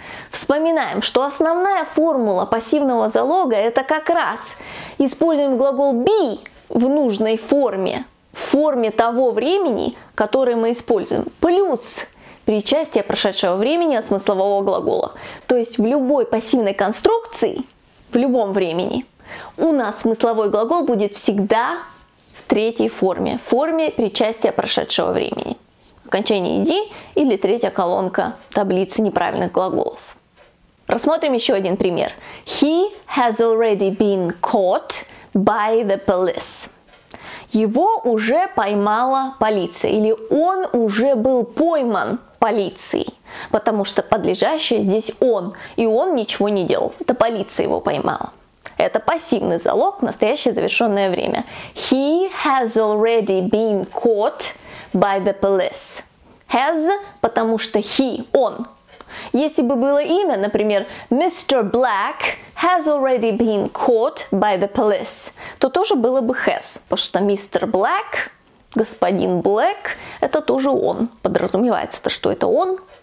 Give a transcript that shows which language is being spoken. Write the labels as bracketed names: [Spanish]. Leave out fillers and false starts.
[Russian] Вспоминаем, что основная формула пассивного залога это как раз используем глагол be в нужной форме, в форме того времени, которое мы используем, плюс причастие прошедшего времени от смыслового глагола. То есть в любой пассивной конструкции, в любом времени, У нас смысловой глагол будет всегда в третьей форме. В форме причастия прошедшего времени. Окончание -ed или третья колонка таблицы неправильных глаголов. Рассмотрим еще один пример. [English] He has already been caught by the police. [Russian] Его уже поймала полиция. Или он уже был пойман полицией. Потому что подлежащее здесь он. И он ничего не делал. Это полиция его поймала. Это пассивный залог, настоящее завершенное время. [English] He has already been caught by the police. [Russian] Has, потому что he, он. Если бы было имя, например, Mr. [English] Black has already been caught by the police, [Russian] то тоже было бы has, потому что [English] Mr. [Russian] Black, господин Black, это тоже он, подразумевается-то, что это он.